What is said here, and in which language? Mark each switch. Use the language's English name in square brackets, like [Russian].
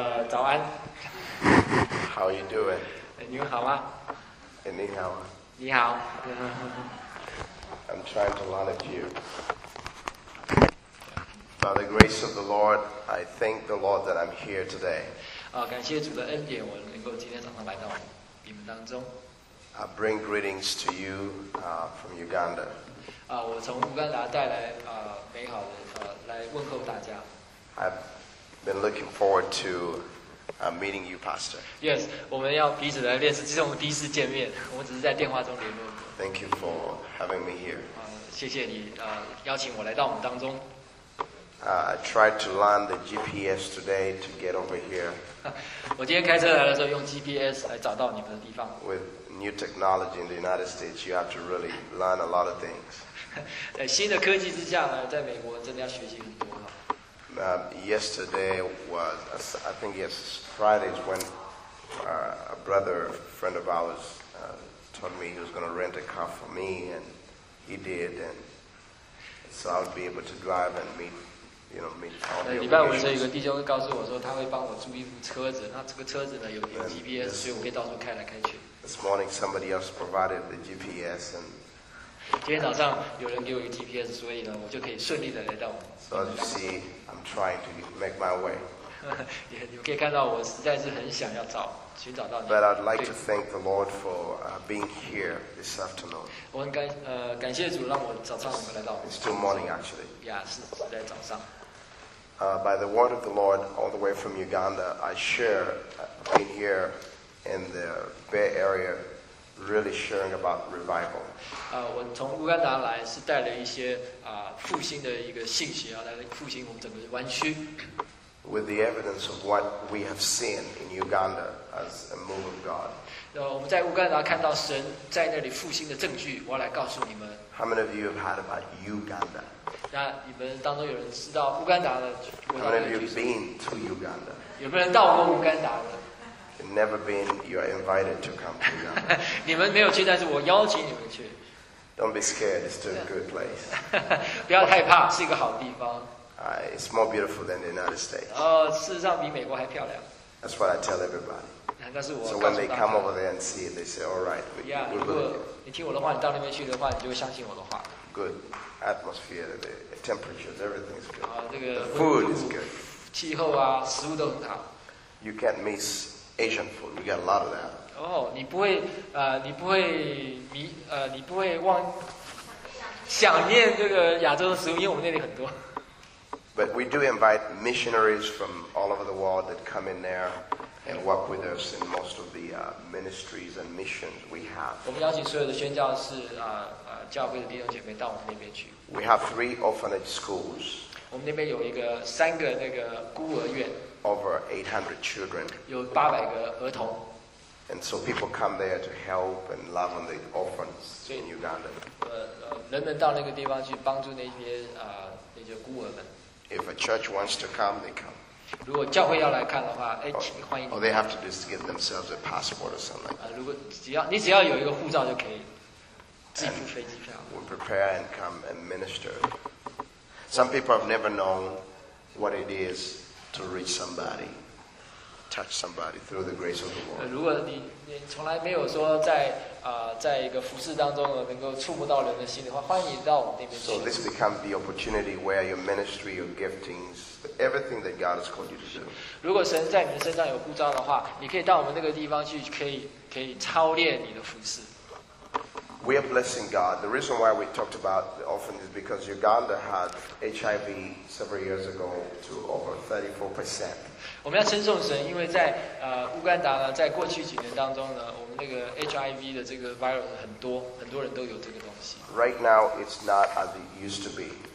[Chinese] 早安。 [English] How are you doing? [Chinese] 你好吗？你好。你好。 [English] I'm trying to learn of you. By the grace of the Lord, I thank the Lord that I'm here today. [Chinese] 感谢主的恩典，我能够今天早上来到你们当中。 [English] I bring greetings to you from Uganda. [Chinese] 我从乌干达带来美好的来问候大家。 [English] I've been looking forward to meeting you, Pastor. [Chinese] Yes, 我们要彼此来认识，这是我们第一次见面，我们只是在电话中联络。 [English] Thank you for having me here. [Chinese] 谢谢你邀请我来到我们当中。 [English] I tried to land the GPS today to get over here. [Chinese] 我今天开车来的时候用 GPS 来找到你们的地方。 [English] With new technology in the United States, you have to really learn a lot of things. [Chinese] 在新的科技之下呢，在美国真的要学习很多哈。 [English] Yesterday was, I think it's Friday's when a brother, a friend of ours, told me he was going to rent a car for me, and he did, and so I would be able to drive and meet. You know, meet all the [Chinese] 礼拜五的时候，有个弟兄告诉我说，他会帮我租一部车子。那这个车子呢，有 GPS， 所以我可以到处开来开去。 [English] This morning, somebody else provided the GPS, and [Chinese] 今天早上有人给我一个 GPS， 所以呢，我就可以顺利的来到。 [English] So as you see, I'm trying to make my way. [Chinese] 你可以看到，我实在是很想要找寻找到你。 [English] But I'd like to thank the Lord for being here this afternoon. [Chinese] 我很感谢主让我早上能够来到。 [English] It's still morning, actually. [Chinese] Yeah, 是在早上。 [English] By the word of the Lord, all the way from Uganda, I share, being here in the Bay Area, really sharing about revival. [Chinese] 我从乌干达来是带了一些复兴的一个信息啊，来复兴我们整个湾区。 [English] With the evidence of what we have seen in Uganda as a move of God. [Chinese] 我们在乌干达看到神在那里复兴的证据，我要来告诉你们。 [English] How many of you have heard about Uganda? [Chinese] 那你们当中有人知道乌干达的？ [English] How many of you been to Uganda? [Chinese] 有没有人到过乌干达的 [English] ？Never been. You are invited to come to Uganda. [Chinese] 你们没有去，但是我邀请你们去。 [English] Don't be scared. It's still a good place. [Chinese] 不要害怕，是一个好地方。 [English] It's more beautiful than the United States. [Chinese] 事实上比美国还漂亮。 [English] That's what I tell everybody. [Chinese] 但是我告诉大家。 [English] So when they come over there and see it, they say, "All right, we will." [Chinese] 如果你听我的话，你到那边去的话，你就会相信我的话。 [English] Good. Atmosphere, the temperatures, everything is good. [Chinese] 这个、 [English] the food is good. [Chinese] 气候啊，食物都很好。 [English] You can't miss Asian food. We got a lot of that. [Chinese] 你不会你不会忘想念这个亚洲的食物，因为我们那里很多。 [English] But we do invite missionaries from all over the world that come in there and work with us in most of the ministries and missions we have. [Chinese] 我们邀请所有的宣教士教会的弟兄姐妹到我们那边去。 [English] We have three orphanage schools. [Chinese] 我们那边有一个三个那个孤儿院。 [English] Over 800 children. [Chinese] 有八百个儿童。 [English] And so people come there to help and love on the orphans in Uganda. [Chinese] 人们到那个地方去帮助那些那些孤儿们。 [English] If a church wants to come, they come. [Chinese] 如果教会要来看的话，请欢迎你。 [English] Or they have to just give themselves a passport or something. [Chinese] 如果只要有一个护照就可以。 [English] And we prepare and come and minister. Some people have never known what it is to reach somebody, touch somebody through the grace of the Lord. [Chinese] 如果你从来没有说在一个服事当中能够触摸到人的心的话，欢迎你到我们那边去。 [English] So this becomes the opportunity where your ministry, your giftings, everything that God has called you to do. [Chinese] 如果神在你身上有呼召的话，你可以到我们那个地方去，可以操练你的服事。 [English] We are blessing God. The reason why we talked about the orphanage is because Uganda had HIV several years ago to over 34%. [Chinese] 我们要称颂神，因为在乌干达呢，在过去几年当中呢，我们那个 HIV 的这个 virus 很多，很多人都有这个东西。 [English] Right now, it's not as it used to be.